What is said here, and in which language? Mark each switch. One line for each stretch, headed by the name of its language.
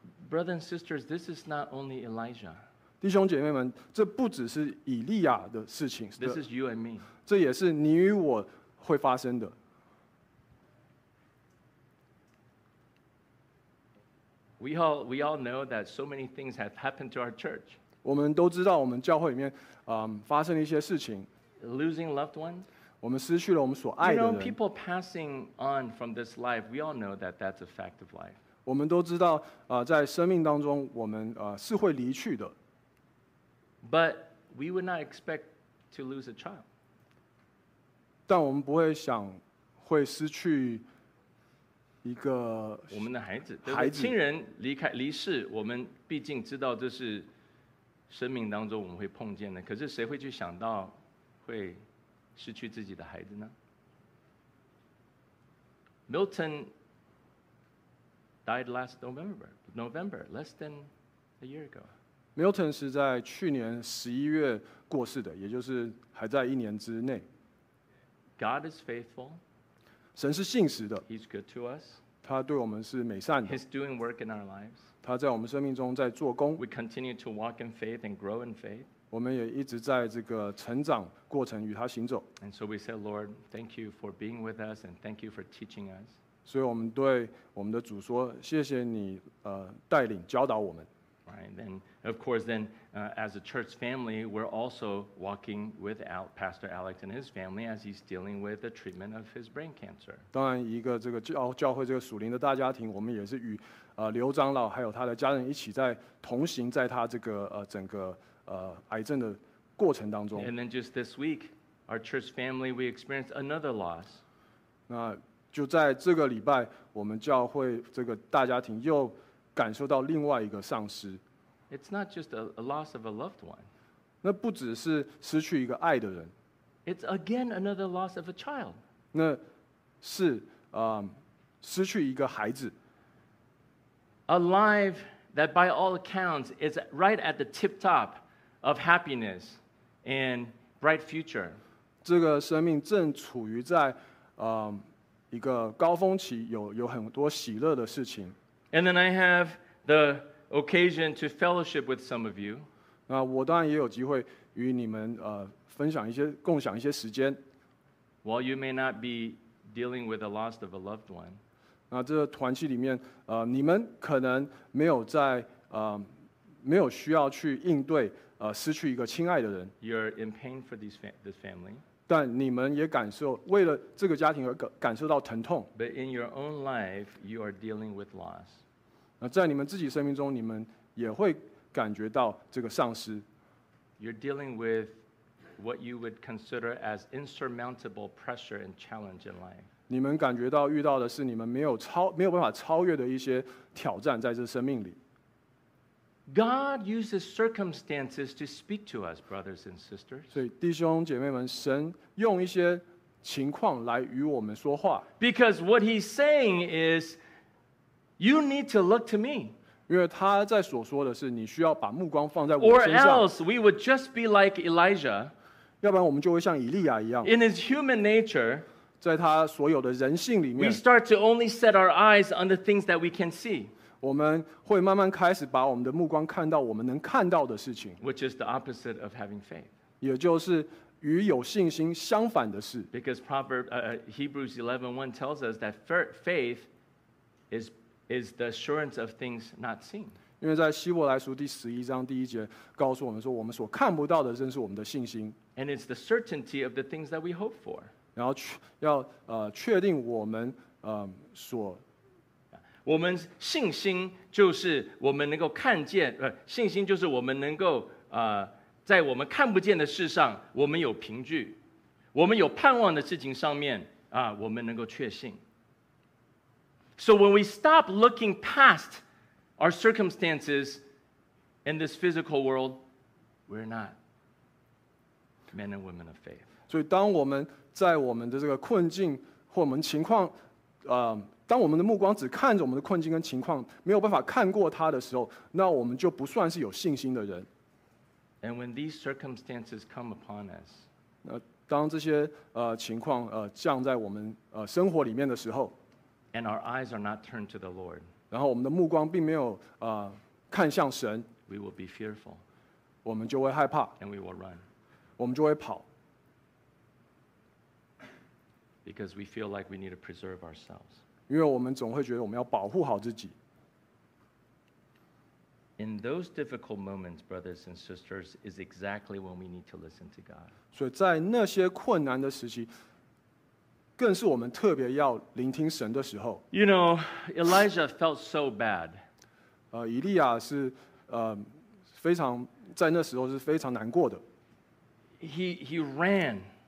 English: Brothers and sisters, this is not only Elijah.
Chinese: 弟兄姐妹们，这不只是以利亚的事情。
English: This is you and me.
Chinese: 这也是你与我会发生的。
English: We all know that so many things have happened to our church.
Chinese: 我们都知道我们教会里面发生了一些事情。
English: Losing loved ones.
Chinese: 我们失去了我们所爱的人。
English: You know, people passing on from this life, we all know that that's a fact of life.
Chinese: 我们都知道，在生命当中，我们是会离去的。
English: But we would not expect to lose a child.
Chinese: 但我们不会想会失去一个我们的孩子。对不对？亲人离世，我们毕竟知道这是生命当中我们会碰见的。可是谁会去想到会？失去自己的孩子呢？
English: Milton died last November, less than a year ago.
Chinese: Milton 是在去年11月过世的，也就是还在一年之内。
English: God is faithful.
Chinese: 神是信实的。
English: He's good to us.
Chinese: 他对我们是美善的。
English: He's doing work in our lives.
Chinese: 他在我们生命中在做工。
English: We continue to walk in faith and grow in faith.
Chinese: 我们也一直在这个成长过程与他行走。
English: And so we say, Lord, thank you for being with us and thank you for teaching us.
Chinese: 所以我们对我们的主说，谢谢你带领教导我们。
English: Right, then of course, then as a church family, we're also walking with Pastor Alex and his family as he's dealing with the treatment of his brain cancer.
Chinese: 当然，一个这个教会这个属灵的大家庭，我们也是与刘长老还有他的家人一起在同行，在他这个整个。癌症的过程当中。
English: And then just this week, our church family, we experienced another loss.
Chinese: 那就在这个礼拜，我们教会这个大家庭又感受到另外一个丧失。
English: It's not just a loss of a loved one.
Chinese: 那不只是失去一个爱的人。
English: It's again another loss of a child.
Chinese: 那是失去一个孩子。
English: A life that by all accounts is right at the tip top. Of happiness and bright future.
Chinese: 这个生命正处于在一个高峰期，有很多喜乐的事情。
English: And then I have the occasion to fellowship with some of you.
Chinese: 那我当然也有机会与你们分享一些共享一些时间。
English: While you may not be dealing with the loss of a loved one.
Chinese: 那这个团契里面你们可能没有在没有需要去应对。失去一个亲爱的人。
English: You're in pain for this family.
Chinese: 但你们也感受为了这个家庭而感受到疼痛。
English: But in your own life, you are dealing with loss.
Chinese: 那在你们自己生命中，你们也会感觉到这个丧失。
English: You're dealing with what you would consider as insurmountable pressure and challenge in life.
Chinese: 你们感觉到遇到的是你们没有办法超越的一些挑战在这生命里。
English: God uses circumstances to speak to us, brothers and sisters.
Chinese: 所以弟兄姐妹们，神用一些情况来与我们说话。
English: Because what he's saying is, you need to look to me.
Chinese: 因为他在所说的是，你需要把目光放在我身上。
English: Or else we would just be like Elijah.
Chinese: 要不然我们就会像以利亚一样。
English: In his human nature,
Chinese: 在他所有的人性里面。
English: We start to only set our eyes on the things that we can see.
Chinese: 我们会慢慢开始把我们的目光看到我们能看到的事情
English: ，which is the opposite of having faith，
Chinese: 也就是与有信心相反的事。
English: Because Proverbs Hebrews 11:1 tells us that faith is the assurance of things not seen，
Chinese: 因为在希伯来书第十一章第一节告诉我们说，我们所看不到的正是我们的信心。
English: And it's the certainty of the things that we hope for.
Chinese: 然后要确定我们所我们信心就是我们能够看见，信心就是我们能够在我们看不见的事上，我们有凭据，我们有盼望的事情上面我们能够确信。
English: So when we stop looking past our circumstances in this physical world, we're not men and women of faith.
Chinese: 所以当我们在我们的这个困境或我们情况当我们的目光只看着我们的困境跟情况，没有办法看过它的时候，那我们就不算是有信心的人。
English: And when these circumstances come upon us,
Chinese: 当这些情况降在我们生活里面的时候，
English: and our eyes are not turned to the Lord,
Chinese: 然后我们的目光并没有看向神，
English: we will be fearful,
Chinese: 我们就会害怕，
English: and we will run,
Chinese: 我们就会跑。
English: Because we feel like we need to preserve ourselves.
Chinese: 因为我们总会觉得我们要保护好自己。
English: In those difficult moments, brothers and sisters, is exactly when we need to listen to God.
Chinese: 所以在那些困难的时期，更是我们特别要聆听神的时候。
English: You know, Elijah felt so bad.
Chinese: 以利亚是非常在那时候是非常难过的。
English: He ran.